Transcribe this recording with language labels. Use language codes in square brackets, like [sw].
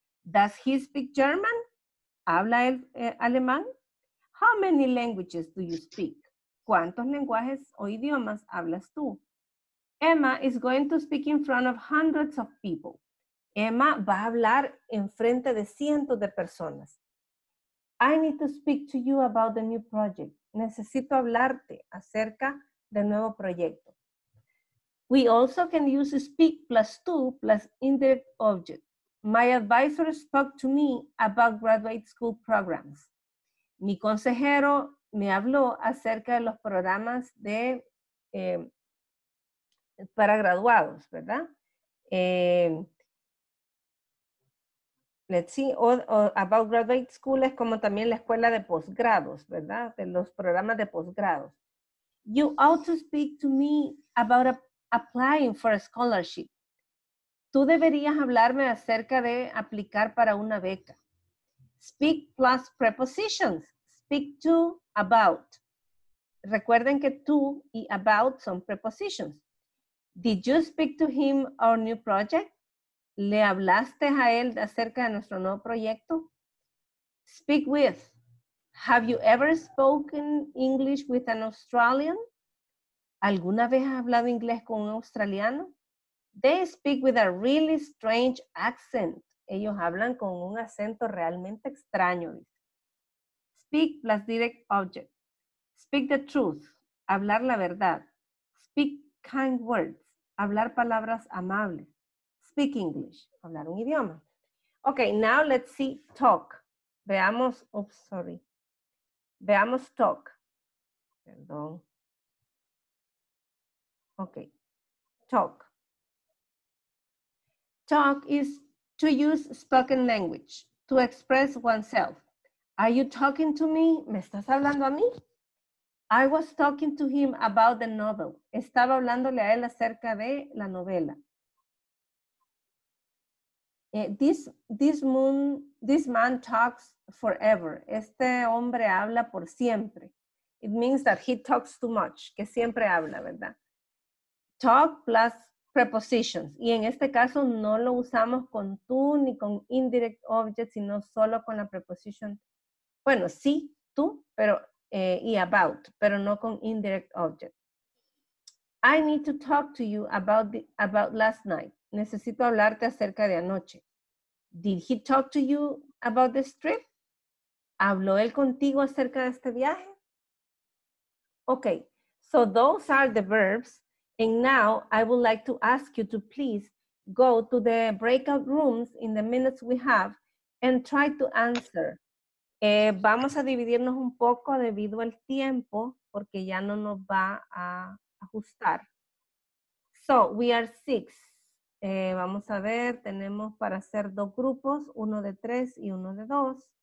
[en] Does he speak German? [es] ¿Habla él alemán? [en] How many languages do you speak? [es] ¿Cuántos lenguajes o idiomas hablas tú? [en] Emma is going to speak in front of hundreds of people. [es] Emma va a hablar en frente de cientos de personas. [en] I need to speak to you about the new project. [es] Necesito hablarte acerca del nuevo proyecto. [en] We also can use speak plus to plus indirect object. My advisor spoke to me about graduate school programs. [es] Mi consejero me habló acerca de los programas de para graduados, ¿verdad? Let's see, about graduate school es como también la escuela de posgrados, ¿verdad? De los programas de posgrados. [en] You ought to speak to me about applying for a scholarship. [es] Tú deberías hablarme acerca de aplicar para una beca. [en] Speak plus prepositions. Speak to, about. [es] Recuerden que to y about son prepositions. [en] Did you speak to him our new project? [es] ¿Le hablaste a él acerca de nuestro nuevo proyecto? [en] Speak with. Have you ever spoken English with an Australian? [es] ¿Alguna vez has hablado inglés con un australiano? [en] They speak with a really strange accent. [es] Ellos hablan con un acento realmente extraño. [en] Speak plus direct object. Speak the truth. [es] Hablar la verdad. [en] Speak kind words. [es] Hablar palabras amables. [en] speak English, [es] hablar un idioma. [en] Okay, now let's see talk. [es] Veamos, [en] oops, sorry. [es] Veamos talk. Perdón. [en] Okay. Talk. Talk is to use spoken language to express oneself. Are you talking to me? [es] ¿Me estás hablando a mí? [en] I was talking to him about the novel. [es] Estaba hablándole a él acerca de la novela. [en] This man talks forever. [es] Este hombre habla por siempre. [en] It means that he talks too much, [es] que siempre habla, ¿verdad? [en] Talk plus prepositions. [es] Y en este caso no lo usamos con tú ni con indirect object, sino solo con la preposición. Bueno, sí, tú, pero y about, pero no con indirect object. [en] I need to talk to you about last night. [es] Necesito hablarte acerca de anoche. [en] Did he talk to you about this trip? [es] ¿Habló él contigo acerca de este viaje? [en] Okay, so those are the verbs. And now I would like to ask you to please go to the breakout rooms in the minutes we have and try to answer. [es] Vamos a dividirnos un poco debido al tiempo porque ya no nos va a ajustar. [en] So we are six. [es] Vamos a ver, tenemos para hacer dos grupos, uno de tres y uno de dos.